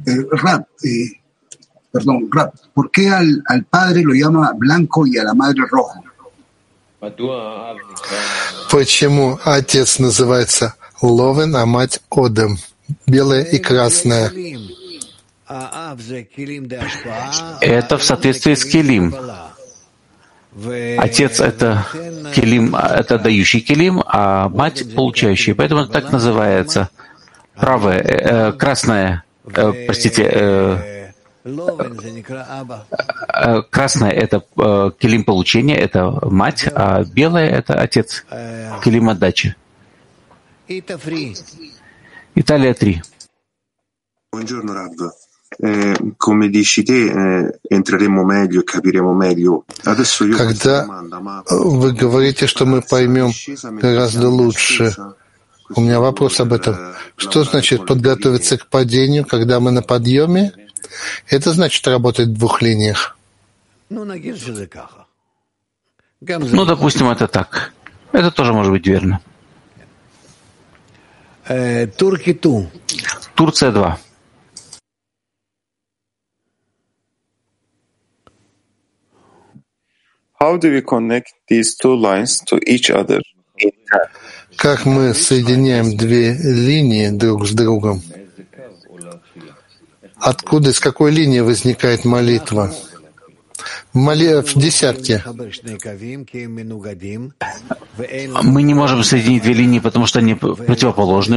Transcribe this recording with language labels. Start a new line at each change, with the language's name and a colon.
Spanish: Раб, perdón, Раб, ¿por qué al padre lo llama blanco y a la madre rojo?
Russian: Почему отец называется Ловен, а мать Одем? Белая и красная. Это в соответствии с келим. Отец — это келим, это дающий келим, а мать — получающий. Поэтому так называется. Правая, красная — это келим получения, это мать, а белая — это отец, келим отдачи. Италия 3.
Italian: Buongiorno, Rabdo. Come dici te, entreremo meglio e capiremo meglio. Adesso io
Russian: Когда вы говорите, что мы поймем гораздо лучше, у меня вопрос об этом. Что значит подготовиться к падению, когда мы на подъеме? Это значит работать в двух линиях. Ну, допустим, это так. Это тоже может быть верно. Турция 2.
English: How do we connect these two lines to each other?
Russian: Как мы соединяем две линии друг с другом? Откуда, из какой линии возникает молитва? В десятке. Мы не можем соединить две линии, потому что они противоположны.